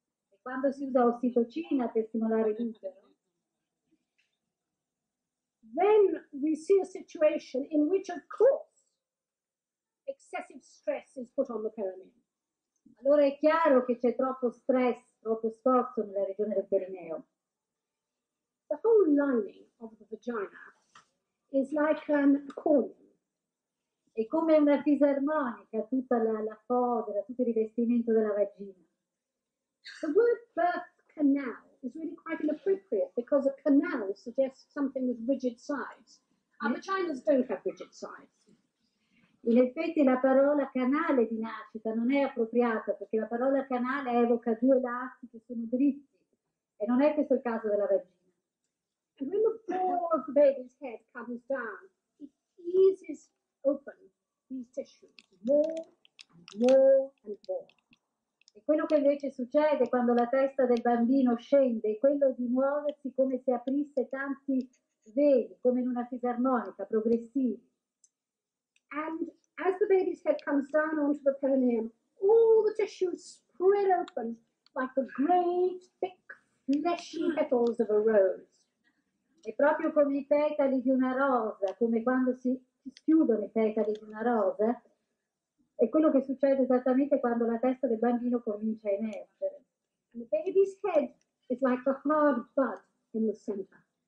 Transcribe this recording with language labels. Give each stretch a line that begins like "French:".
Italian: e quando si usa ossitocina per stimolare l'utero,
English: then we see a situation in which, of course, excessive stress is put on the perineum.
Italian: Allora è chiaro che c'è troppo stress, troppo sforzo nella regione del perineo.
English: The whole lining of the vagina is like an cornea.
Italian: È come una fisarmonica, tutta la fodera, tutto il rivestimento della vagina.
English: The word birth canal is really quite inappropriate because a canal suggests something with rigid sides. And vaginas don't have rigid sides.
Italian: In effetti la parola canale di nascita non è appropriata perché la parola canale evoca due lati che sono dritti. E non è questo il caso della vagina.
English: And when the ball of the baby's head comes down, it eases open these tissues more and more and more.
Italian: E quello che invece succede quando la testa del bambino scende è quello di muoversi come se aprisse tanti veli, come in una fisarmonica, progressivi.
English: And as the baby's head comes down onto the perineum, all the tissues spread open like the great, thick, fleshy petals of a rose.
Italian: È proprio come i petali di una rosa, come quando si chiudono i petali di una rosa, è quello che succede esattamente quando la testa del bambino comincia a emergere.
English: And the baby's head is like a hard bud in the center.